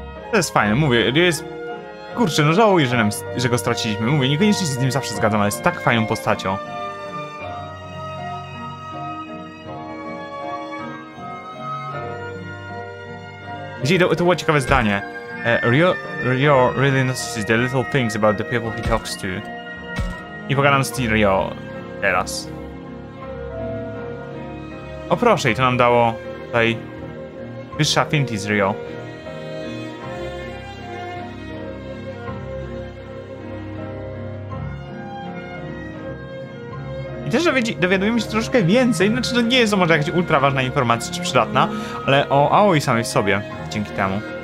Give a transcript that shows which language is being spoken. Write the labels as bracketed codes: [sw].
[pl] To jest fajne, mówię, Ryo jest... Kurczę, no żałuję, że go straciliśmy. Mówię, niekoniecznie się z nim zawsze zgadzam, ale jest tak fajną postacią. Gdzie to było ciekawe zdanie. [en] Ryo really notices the little things about the people he talks to. [pl] I pogadam z Ryo teraz. O proszę, i to nam dało tutaj wyższa affinity z Ryo. I też dowiadujemy się troszkę więcej, znaczy to nie jest to może jakaś ultra ważna informacja czy przydatna, ale o Aoi samej w sobie, dzięki temu.